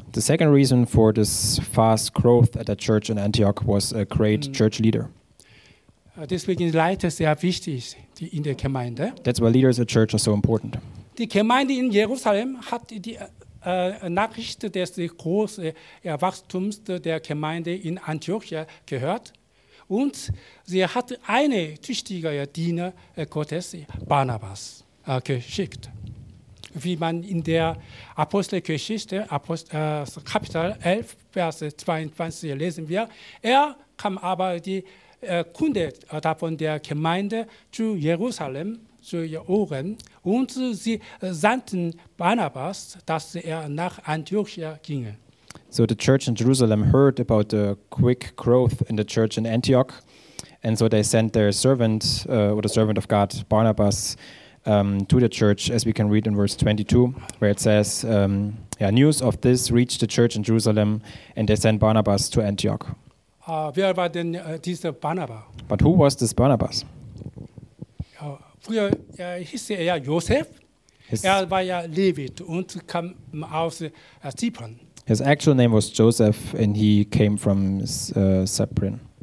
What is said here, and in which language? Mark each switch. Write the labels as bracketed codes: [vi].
[en] The second reason for this fast growth at the church in Antioch was a great church leader. [de] Deswegen ist Leiter sehr wichtig in der Gemeinde. [en] That's why leaders of church are so important. [de] Die Gemeinde in Jerusalem hat die Nachricht des großen Wachstums der Gemeinde in Antiochia gehört und sie hat einen tüchtigen Diener Gottes, Barnabas, geschickt. Wie man in der Apostelgeschichte, Kapitel 11, Vers 22 lesen wir. Er kam aber die Kunde davon der Gemeinde zu Jerusalem, zu ihren Ohren, und sie sandten Barnabas, dass er nach Antiochia ginge. [en] So the church in Jerusalem heard about the quick growth in the church in Antioch, and so they sent their servant, or the servant of God, Barnabas, to the church, as we can read in verse 22, where it says, news of this reached the church in Jerusalem, and they sent Barnabas to Antioch. [de] Wer war denn dieser Barnabas? [en] But who was this Barnabas? [de] Früher hieß er Josef. Er war ja Levit und kam aus Zypern. [en] His actual name was Joseph, and he came from Cyprian.